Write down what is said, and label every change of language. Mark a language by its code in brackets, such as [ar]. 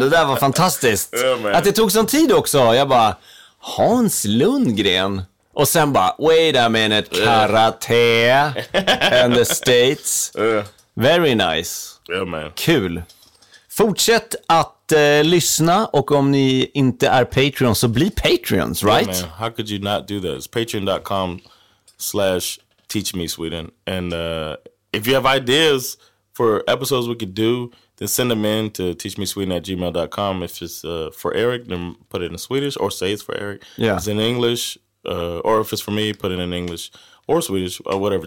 [sv] Det där var fantastiskt. [en] Yeah, [sv] att det tog sån tid också. Jag bara, Hans Lundgren. Och sen bara, [en] wait a minute, karate and the States. Very nice. Yeah, man. [sv] Kul. Fortsätt att lyssna, och om ni inte är Patreon så bli Patreons, right? [en] Yeah, man. How could you not do this? Patreon.com/teachmesweden. And if you have ideas for episodes we could do, then send them in to teachmesweden@gmail.com. If it's for Eric, then put it in Swedish, or say it's for Eric. Yeah. If it's in English, or if it's for me, put it in English or Swedish or whatever.